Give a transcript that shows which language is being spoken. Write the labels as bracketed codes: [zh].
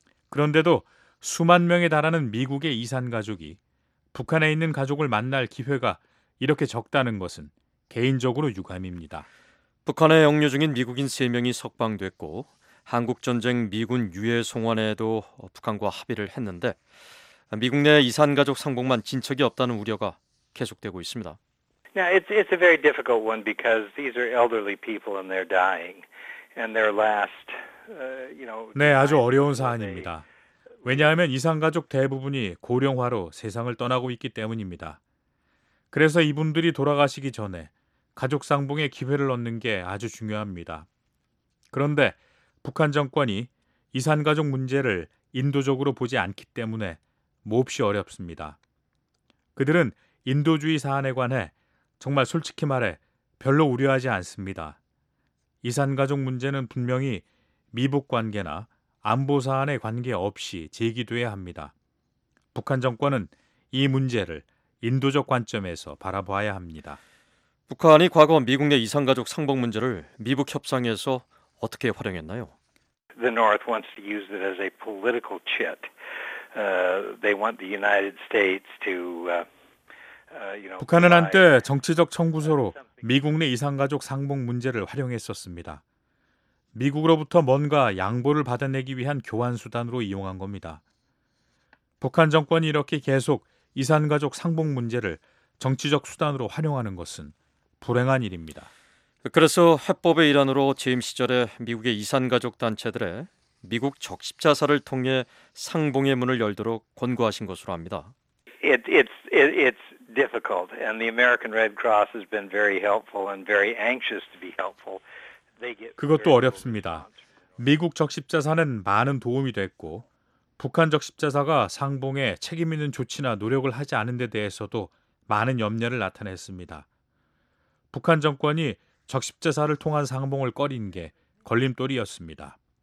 [ko] 그런데도 수만 명에 달하는 미국의 이산가족이 북한에 있는 가족을 만날 기회가 이렇게 적다는 것은 개인적으로 유감입니다. 북한에 영유 중인 미국인 3명이 석방됐고 한국전쟁 미군 유해 송환에도 북한과 합의를 했는데 미국 내 이산가족 상봉만 진척이 없다는 우려가 계속되고 있습니다. [en] Now it's a very difficult one because these are elderly people and they're dying and their last you know [ko] 네, 아주 어려운 사안입니다. 왜냐하면 이산가족 대부분이 고령화로 세상을 떠나고 있기 때문입니다. 그래서 이분들이 돌아가시기 전에 가족 상봉의 기회를 얻는 게 아주 중요합니다. 그런데 북한 정권이 이산가족 문제를 인도적으로 보지 않기 때문에 몹시 어렵습니다. 그들은 인도주의 사안에 관해 정말 솔직히 말해 별로 우려하지 않습니다. 이산가족 문제는 분명히 미북 관계나 안보 사안에 관계없이 제기돼야 합니다. 북한 정권은 이 문제를 인도적 관점에서 바라봐야 합니다. 북한이 과거 미국 내 이산가족 상봉 문제를 미북 협상에서 어떻게 활용했나요? [en] The North wants to use it as a political chit. They want the United States to... [ko] 북한은 한때 정치적 청구서로 미국 내 이산가족 상봉 문제를 활용했었습니다. 미국으로부터 뭔가 양보를 받아내기 위한 교환 수단으로 이용한 겁니다. 북한 정권이 이렇게 계속 이산가족 상봉 문제를 정치적 수단으로 활용하는 것은 불행한 일입니다. 그래서 해법의 일환으로 재임 시절에 미국의 이산가족 단체들의 미국 적십자사를 통해 상봉의 문을 열도록 권고하신 것으로 합니다. [en] It's difficult and the American Red Cross has been very helpful and very anxious to be helpful. [ko] 그것도 어렵습니다. 미국 적십자사는 많은 도움이 됐고 북한 적십자사가 상봉에 책임 있는 조치나 노력을 하지 않은 데 대해서도 많은 염려를 나타냈습니다. 북한 정권이 적십자사를 통한 상봉을 꺼린 게 걸림돌이었습니다.